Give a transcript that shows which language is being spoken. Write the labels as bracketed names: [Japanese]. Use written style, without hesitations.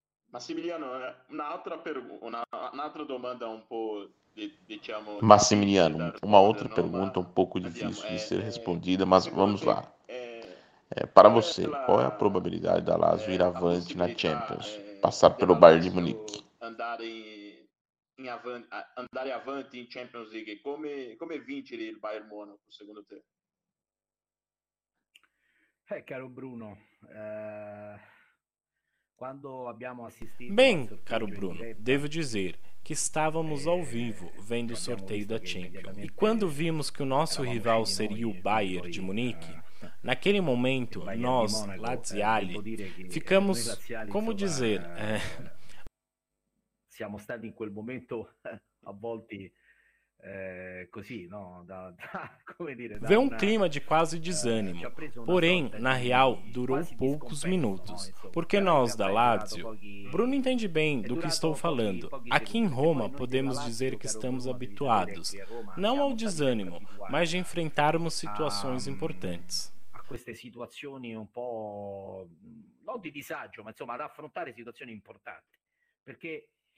[Italian] Massimiliano, un'altra un'altra domanda un po', diciamo... Massimiliano, una altra domanda un po' difficile di essere rispondita, ma [Portuguese] vamos lá. Para você, qual é a probabilidade da Lazio ir avante na Champions, passar pelo Bayern de Munique? [Italian] Andare avanti in Champions League, come vincere il Bayern Monaco, secondo te? Caro Bruno, quando abbiamo assistito... [Portuguese] Bem, caro Bruno, devo dizer que estávamos ao vivo vendo o sorteio da Champions, e quando vimos que o nosso rival seria o Bayern de Munique, naquele momento, nós, Laziali, ficamos, como dizer... [Italian] Siamo stati in quel momento avvolti così, no? Come dire, da un clima di quasi disanimo. [Portuguese] Porém, na real, durou poucos minutos. Porque nós, da Lazio... Bruno entende bem do que estou falando. Aqui em Roma, podemos dizer que estamos habituados. Não ao desânimo, mas de enfrentarmos situações importantes. [Italian] A queste situazioni un po'... Non di disagio, ma insomma, ad affrontare situazioni importanti. Perché...